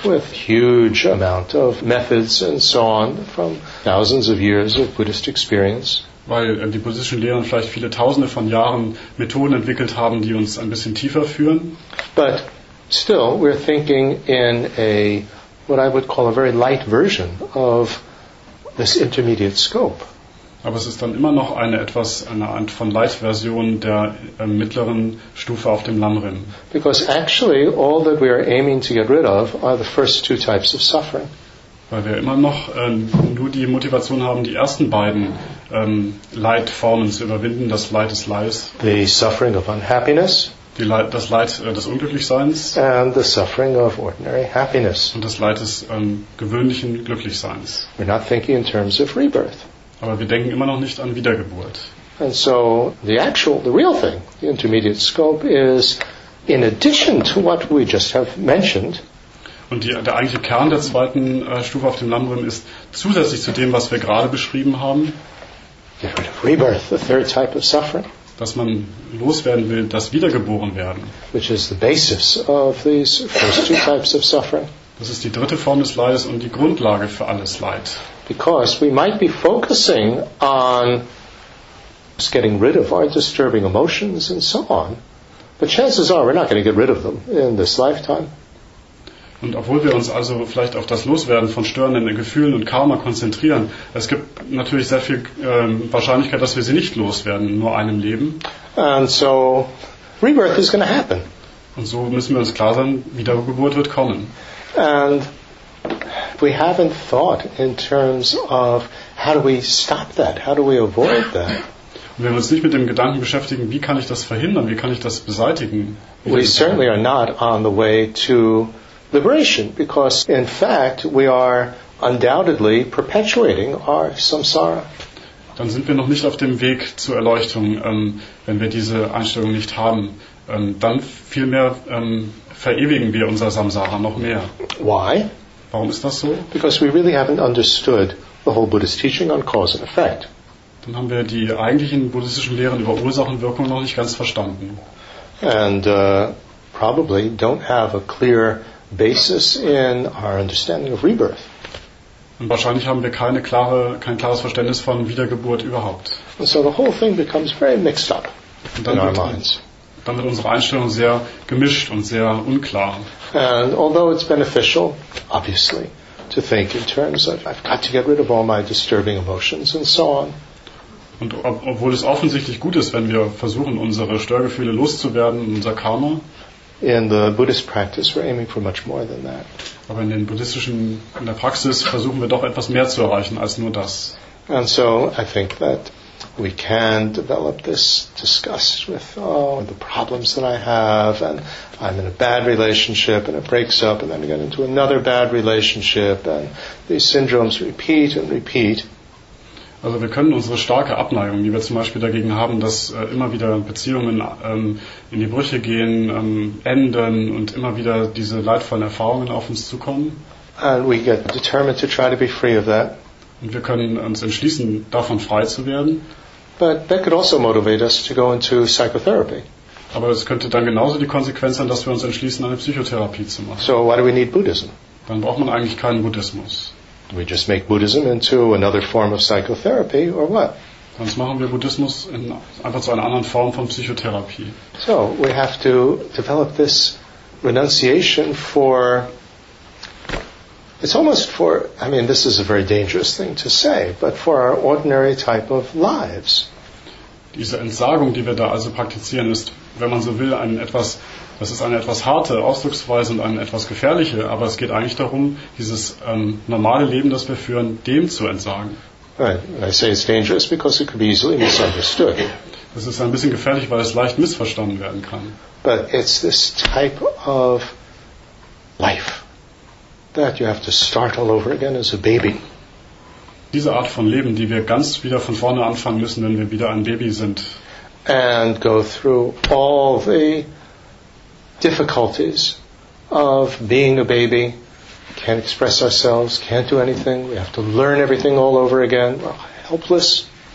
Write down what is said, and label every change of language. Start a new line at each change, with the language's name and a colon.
English: With huge amount of methods and so on from thousands of years of Buddhist experience.
German: Weil die buddhistischen Lehren vielleicht viele Tausende von Jahren Methoden entwickelt haben, die uns ein bisschen tiefer führen.
English: But still, we're thinking in a what I would call a very light version of this intermediate scope.
German: Aber es ist dann immer noch eine Art von Light-Version der mittleren Stufe auf dem Lamrim.
English: Because actually all that we are aiming to get rid of are the first two types of suffering.
German: Weil wir immer noch nur die Motivation haben, die ersten beiden Leitformen zu überwinden, das Leid des Leids.
English: The suffering of unhappiness.
German: Das Leid des Unglücklichseins.
English: And the suffering of ordinary happiness.
German: Und das Leid des gewöhnlichen Glücklichseins.
English: We're not thinking in terms of rebirth.
German: Aber wir denken immer noch nicht an Wiedergeburt.
English: And so the real thing, the intermediate scope is, in addition to what we just have mentioned.
German: Und der eigentliche Kern der zweiten Stufe auf dem Lamrim ist zusätzlich zu dem, was wir gerade beschrieben haben.
English: Rebirth, the third type of suffering.
German: Dass man loswerden will, das wiedergeboren werden.
English: Which is the basis of these first two types of suffering.
German: Das ist die dritte Form des Leides und die Grundlage für alles Leid.
English: Because we might be focusing on just getting rid of our disturbing emotions and so on. But chances are we're not going to get rid of them in this lifetime.
German: Und obwohl wir uns also vielleicht auf das Loswerden von störenden Gefühlen und Karma konzentrieren, es gibt natürlich sehr viel Wahrscheinlichkeit, dass wir sie nicht loswerden, nur einem Leben.
English: And so, rebirth is going to happen.
German: Und so müssen wir uns klar sein, Wiedergeburt wird kommen.
English: And we haven't thought in terms of how do we stop that, how do we avoid that.
German: Und wenn wir uns nicht mit dem Gedanken beschäftigen, wie kann ich das verhindern, wie kann ich das beseitigen?
English: We certainly are not on the way to liberation, because in fact we are undoubtedly perpetuating our samsara.
German: Dann sind wir noch nicht auf dem Weg zur Erleuchtung, wenn wir diese Einstellung nicht haben. Dann vielmehr verewigen wir unser Samsara noch mehr.
English: Why?
German: Warum ist das so?
English: Because we really haven't understood the whole Buddhist teaching on cause and effect.
German: Dann haben wir die eigentlichen buddhistischen Lehren über Ursache und Wirkung noch nicht ganz verstanden.
English: And probably don't have a clear basis in our understanding of rebirth.
German: Und wahrscheinlich haben wir kein klares Verständnis von Wiedergeburt überhaupt.
English: And so the whole thing becomes very mixed up in our minds.
German: Dann wird unsere Einstellung sehr gemischt und sehr unklar.
English: And although it's beneficial, obviously, to think in terms of I've got to get rid of all my disturbing emotions and so on.
German: Und obwohl es offensichtlich gut ist, wenn wir versuchen, unsere Störgefühle loszuwerden, unser Karma.
English: In the Buddhist practice, we're aiming for much more than that.
German: Aber in der Praxis versuchen wir doch etwas mehr zu erreichen als nur das.
English: And so I think that we can develop this disgust with the problems that I have, and I'm in a bad relationship, and it breaks up, and then I get into another bad relationship, and these syndromes repeat and repeat.
German: Also wir können unsere starke Abneigung, die wir zum Beispiel dagegen haben, dass immer wieder Beziehungen in die Brüche gehen, enden und immer wieder diese leidvollen Erfahrungen auf uns zukommen.
English: And we get determined to try to be free of that.
German: Und wir können uns entschließen, davon frei zu werden.
English: But that could also motivate us to go into psychotherapy.
German: Aber es könnte dann genauso die Konsequenz sein, dass wir uns entschließen, eine Psychotherapie zu machen.
English: So why do we need Buddhism?
German: Dann braucht man eigentlich keinen Buddhismus.
English: We just make Buddhism into another form of psychotherapy, or what?
German: Sonst machen wir Buddhismus einfach zu einer anderen Form von Psychotherapie.
English: So we have to develop this renunciation this is a very dangerous thing to say, but for our ordinary type of lives.
German: Diese Entsagung, die wir da also praktizieren, ist, wenn man so will, das ist eine etwas harte Ausdrucksweise und eine etwas gefährliche, aber es geht eigentlich darum, dieses normale Leben, das wir führen, dem zu entsagen.
English: I say it's dangerous because it could be easily misunderstood.
German: Das ist ein bisschen gefährlich, weil es leicht missverstanden werden kann.
English: But it's this type of life that you have to start all over again as a baby.
German: Diese Art von Leben, die wir ganz wieder von vorne anfangen müssen, wenn wir wieder ein Baby sind.
English: And go through all the difficulties of being a baby, can't express ourselves, can't do anything, we have to learn everything all over again, we're helpless.